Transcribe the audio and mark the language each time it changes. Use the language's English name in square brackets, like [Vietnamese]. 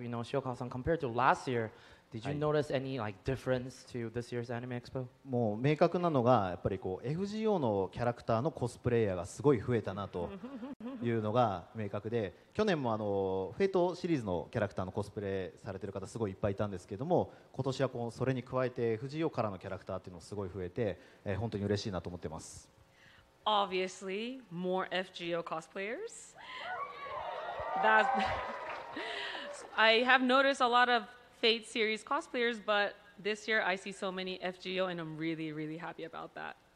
[English] You know, Shiokawa-san, compared to last year, did you notice any like difference to this year's Anime Expo? [Japanese] もう明確なのがやっぱりこう FGO のキャラクターのコスプレイヤーがすごい増えたなというのが明確で、去年もフェイトシリーズのキャラクターのコスプレされてる方すごいいっぱいいたんですけども、今年はこうそれに加えて FGO からのキャラクターっていうのすごい増えて、本当に嬉しいなと思ってます。 [English] Obviously, more FGO cosplayers. That's I have noticed a lot of Fate series cosplayers, but this year I see so many FGO, and I'm really, really happy about that.